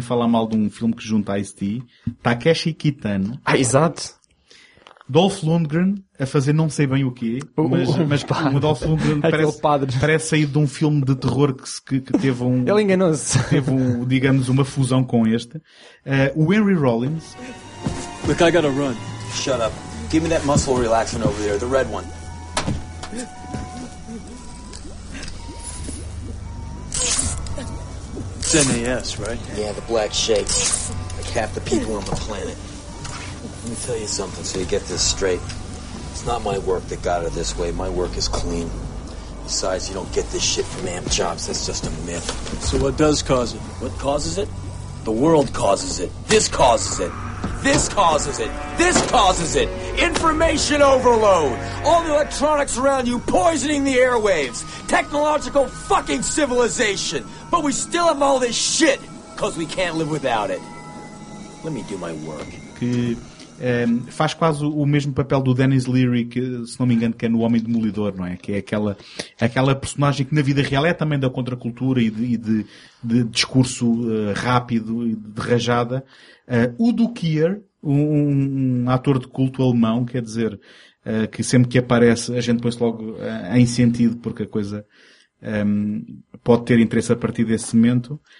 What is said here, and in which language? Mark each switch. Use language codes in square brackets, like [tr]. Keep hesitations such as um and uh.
[pt] falar mal de um filme que junta a ST. Takeshi Kitano. Ah, exato. Que... Dolph Lundgren a fazer não sei bem o quê, mas, mas como, o Dolph Lundgren parece, parece sair de um filme de terror que, que, que teve um... Ele enganou-se. Teve, um, digamos, uma fusão com este. [en] Uh, o Henry Rollins... Look, I gotta run. Shut up. Give me that muscle relaxant over there, the red one. It's NAS, right? Yeah, the black shake. Like half the people on the planet. Let me tell you something so you get this straight. It's not my work that got it this way. My work is clean. Besides, you don't get this shit from amp jobs. That's just a myth. So what does cause it? What causes it? The world causes it. This causes it. This causes it. This causes it. Information overload. All the electronics around you poisoning the airwaves. Technological fucking civilization. But we still have all this shit because we can't live without it. Let me do my work. Good. [pt] Um, faz quase o mesmo papel do Dennis Leary, que, se não me engano, que é no Homem Demolidor, não é? Que é aquela, aquela personagem que na vida real é também da contracultura e de, e de, de discurso uh, rápido e de rajada. Uh, o Duqueer, um, um ator de culto alemão, quer dizer, uh, que sempre que aparece a gente põe-se logo uh, em sentido porque a coisa um, pode ter interesse a partir desse momento.